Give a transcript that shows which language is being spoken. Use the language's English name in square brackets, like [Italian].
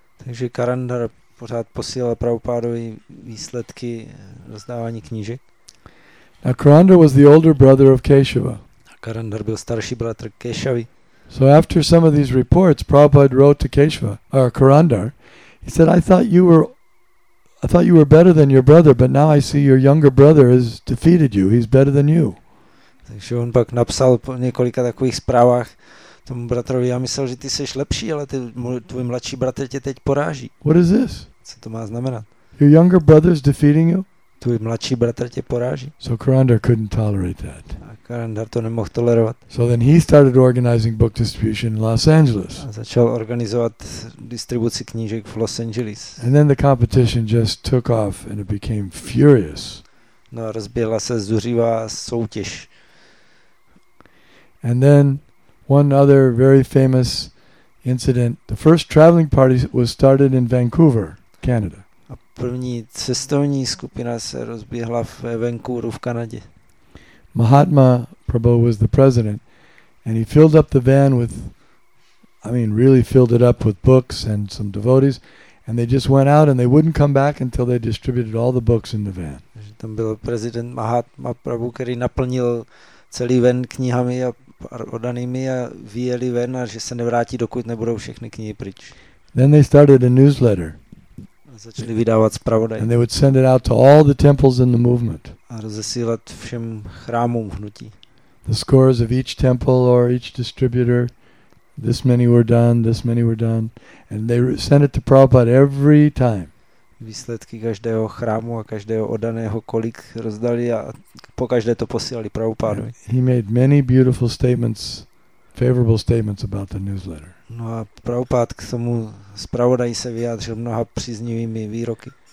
[Czech] Takže Karandar pořád posílal Prabhupádovi výsledky rozdávání knížek. [English] Now Karandar was the older brother of Keshava. [Czech] A Karandar byl starší bratr Keshavy. [English] So after some of these reports, Prabhupada wrote to Keshava, or Karandar. He said, I thought you were better than your brother, but now I see your younger brother has defeated you. He's better than you. [Czech] Takže on pak napsal po několika takových zprávách tomu bratrovi, já myslel, že ty seš lepší, ale tvůj mladší bratr tě teď poráží. [English] What is this? [Czech] Co to má znamenat? [English] Your younger brother is defeating you? [Czech] tvůj mladší bratr tě poráží. [English] So Karandar couldn't tolerate that. [Czech] A Karandar to nemohl tolerovat. [English] So then he started organizing book distribution in Los Angeles. [Czech] A začal organizovat distribuci knížek v Los Angeles. [English] And then the competition just took off and it became furious. [Czech] No, rozběhla se zuřivá soutěž. [English] And then one other very famous incident. The first traveling party was started in Vancouver, Canada. [Czech] A první cestovní skupina se rozběhla ve Vancouveru v Kanadě. [English] Mahatma Prabhu was the president and he filled up the van with, I mean really filled it up with books and some devotees, and they just went out and they wouldn't come back until they distributed all the books in the van. [Czech] Tam byl prezident Mahatma Prabhu, který naplnil celý van knihami a odanými a vyjeli ven a že se nevrátí, dokud nebudou všechny knihy pryč. [English] Then they started a newsletter. [Czech] Začali vydávat zpravodaj. [English] And they would send it out to all the temples in the movement. [Czech] A rozesílat všem chrámům hnutí. [English] The scores of each temple or each distributor, this many were done, this many were done. And they sent it to Prabhupada every time. [Czech] Výsledky každého chrámu a každého odaného, kolik rozdali a po každé to posílali Prabhupádu. [English] He made many beautiful statements, favorable statements about the newsletter. [Czech] No a Prabhupád k tomu zpravodaji se vyjádřil mnoha příznivými výroky.